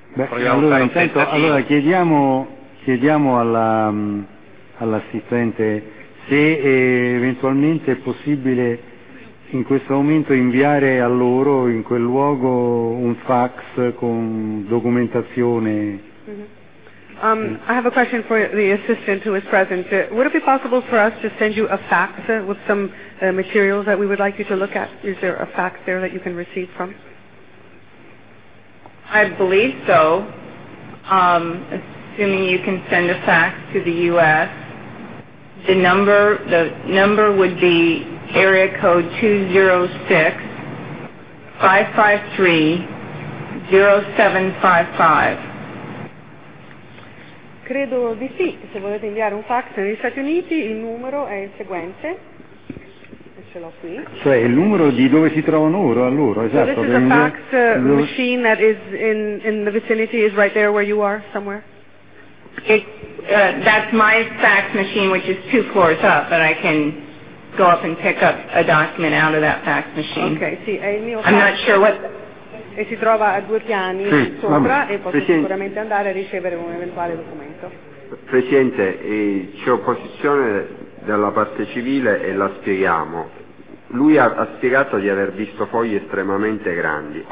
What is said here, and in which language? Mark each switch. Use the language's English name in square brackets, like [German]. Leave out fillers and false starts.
[Italian] Beh, allora, intanto, chiediamo all'assistente se eventualmente è possibile in questo momento inviare a loro in quel luogo un fax con documentazione. Mm-hmm. [English] I have a question for the assistant who is present. Would it be possible for us to send you a fax with some materials that we would like you to look at? Is there a fax there that you can receive from? I believe so. Assuming you can send a fax to the U.S. The number would be area code 206-553-0755. [Italian] Credo di sì, se volete inviare un fax negli Stati Uniti, il numero è il seguente. ce l'ho qui. Cioè il numero di dove si trovano loro, a loro, esatto. [English] So this is a fax machine that is in the vicinity, is right there where you are, somewhere? That's my fax machine, which is two floors up, but I can go up and pick up a document out of that fax machine. [Italian] Okay, sì, è il mio [English] fax. I'm not sure what... [Italian] E si trova a due piani sì, sopra, vabbè. E posso Presidente, sicuramente andare a ricevere un eventuale documento. Presidente, c'è opposizione dalla parte civile e la spieghiamo. Lui ha spiegato di aver visto fogli estremamente grandi.